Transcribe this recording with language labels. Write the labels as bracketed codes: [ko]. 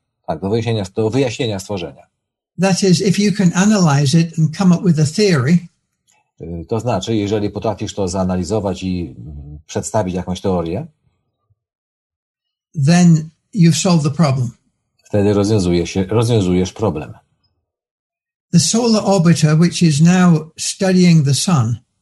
[pl] Tak, do wyjaśnienia stworzenia. [en] That is, if you can analyze it and come up with a theory. [pl] To znaczy, jeżeli potrafisz to zaanalizować i przedstawić jakąś teorię, [en] then you've solved the problem. [pl] Wtedy rozwiązujesz problem. [en] The solar orbiter, which is now studying the sun.